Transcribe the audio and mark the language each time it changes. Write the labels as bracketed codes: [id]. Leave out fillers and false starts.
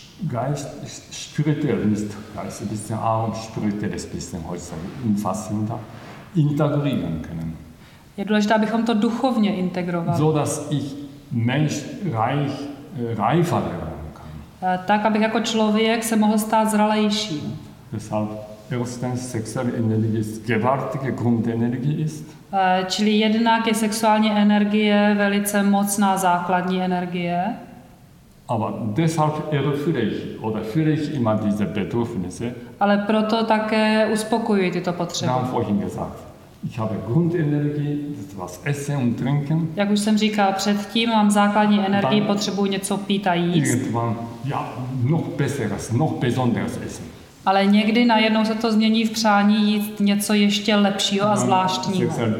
[de] Geist ist spirituell, nicht Geist, ein bisschen arm, spirituell ist ein bisschen häuslich, umfassender, integrieren können. [cs] Je důležité, abychom to duchovně integrovali. [de] So, dass ich Mensch reich, reifer werden kann. [cs] Tak, abych jako člověk se mohl stát zralejší. [de] Deshalb erstens sexuelle Energie ist gewaltige Grundenergie ist. [cs] Čili jednak je sexuální energie velice mocná základní energie. [de] Aber deshalb erfülle ich oder fühle ich immer diese Bedürfnisse. [cs] Ale proto také uspokojuji tyto potřeby. [de] Dann vorhin gesagt, ich habe Grundenergie, das was essen und trinken. [cs] Jak už jsem říkal předtím, mám základní energii, potřebuji něco pít a jíst. [de] Irgendwann, ja, noch besseres, noch besonderes essen. [cs] Ale někdy najednou se to změní v přání jíst něco ještě lepšího a zvláštního.